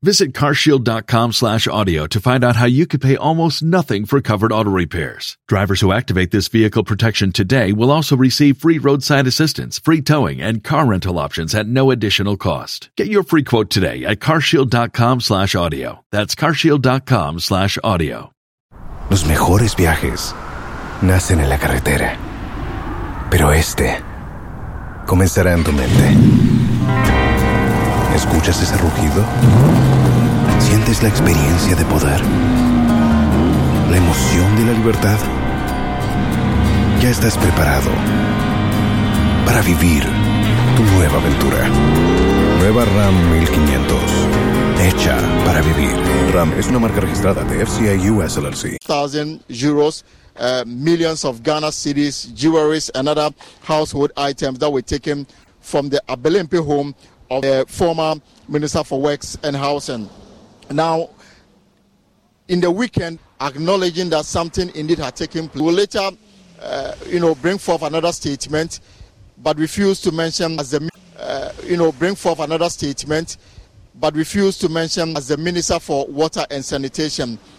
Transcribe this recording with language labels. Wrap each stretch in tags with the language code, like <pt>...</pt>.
<en>Visit carshield.com/audio to find out how you could pay almost nothing for covered auto repairs. Drivers who activate this vehicle protection today will also receive free roadside assistance, free towing, and car rental options at no additional cost. Get your free quote today at carshield.com/audio. That's carshield.com/audio.</en> <es>Los mejores viajes nacen en la carretera, pero este comenzará en tu mente. ¿Escuchas ese rugido? ¿Sientes la experiencia de poder? ¿La emoción de la libertad? Ya estás preparado para vivir tu nueva aventura. Nueva Ram 1500. Hecha para vivir. Ram es una marca registrada de FCA US LLC.</es> <en>1,000 euros. Millions of Ghana cedis, jewelry, and other household items that were taken from the Abelempe home of the former Minister for Works and Housing. Now, in the weekend, acknowledging that something indeed had taken place, we'll later, bring forth another statement, but refuse to mention as the, Minister for Water and Sanitation.</en>